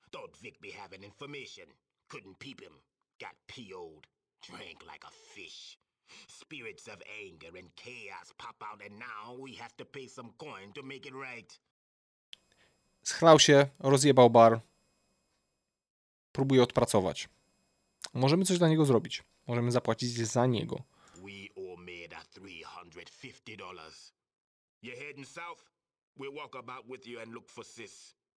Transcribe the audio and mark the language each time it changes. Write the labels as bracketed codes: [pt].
[en] Thought Vic be having information. Couldn't peep him. Got PO'd. Drank like a fish. Spirits of anger and chaos pop out and now we have to pay some coin to make it right. [pl] Schlał się, rozjebał bar. Próbuje odpracować. Możemy coś dla niego zrobić. Możemy zapłacić za niego. [en] We all made $350. You're heading south? We'll walk about with you and look for sis.